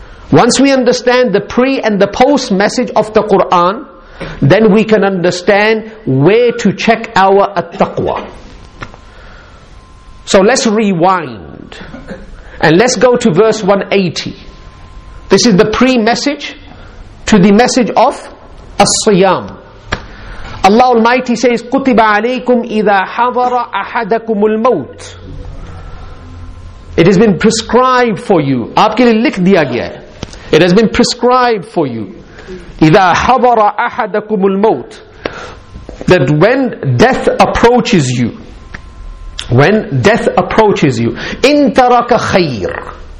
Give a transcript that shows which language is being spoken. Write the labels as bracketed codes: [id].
[en] Once we understand the pre and the post message of the Quran, then we can understand where to check our At-Taqwa. So let's rewind and let's go to verse 180. This is the pre-message to the message of [ar] الصيام. [en] Allah Almighty says, [ar] كُتِبَ عَلَيْكُمْ إِذَا حَضَرَ أَحَدَكُمُ الْمَوْتِ. [en] It has been prescribed for you. [ur] آپ کے لئے لکھ دیا گیا ہے. [en] It has been prescribed for you. [ar] إِذَا حَضَرَ أَحَدَكُمُ الْمَوْتِ. [en] That when death approaches you, when death approaches you, [ar] إِن تَرَكَ خَيْرٌ.